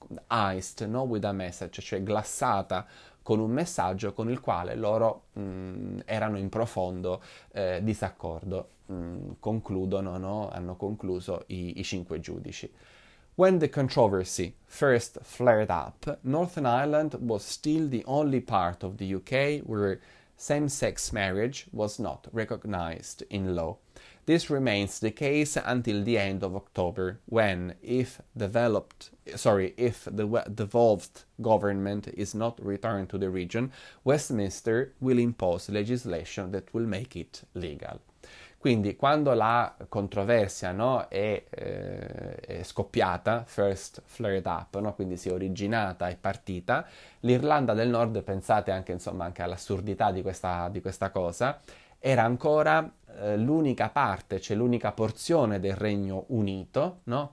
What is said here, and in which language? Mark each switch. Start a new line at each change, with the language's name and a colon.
English: iced,
Italian: no,
English: with a message,
Italian: cioè glassata con un messaggio con il quale loro erano in profondo disaccordo. Concludono, no? Hanno concluso i cinque giudici.
English: When the controversy first flared up, Northern Ireland was still the only part of the UK where same-sex marriage was not recognized in law. This remains the case until the end of October, when if the devolved government is not returned to the region, Westminster will impose legislation that will make it legal.
Italian: Quindi quando la controversia, no, è scoppiata,
English: first flared up,
Italian: no, quindi si è originata e partita, l'Irlanda del Nord, pensate anche, insomma, anche all'assurdità di questa cosa, era ancora l'unica parte, cioè l'unica porzione del Regno Unito, no?